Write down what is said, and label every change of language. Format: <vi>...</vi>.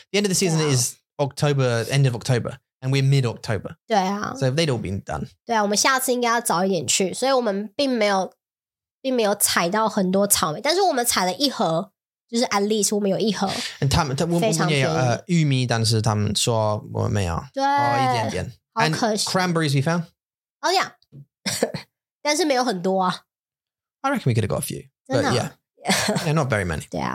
<en>The end of the season is October, end of October, and we're mid October.</en> <zh>对啊,</zh> <en>so they'd all been done.</en> <zh>对啊，我们下次应该要早一点去，所以我们并没有采到很多草莓，但是我们采了一盒。</zh> <en>就是 at least</en> <zh>我们有一盒，非常便宜，玉米，但是他们说我没有，对，一点点，好可惜。</zh> <en>Cranberries we found,</en> <zh>oh yeah, 但是没有很多啊。</zh> <en>I reckon we could have got a few, but yeah, not very many.</en>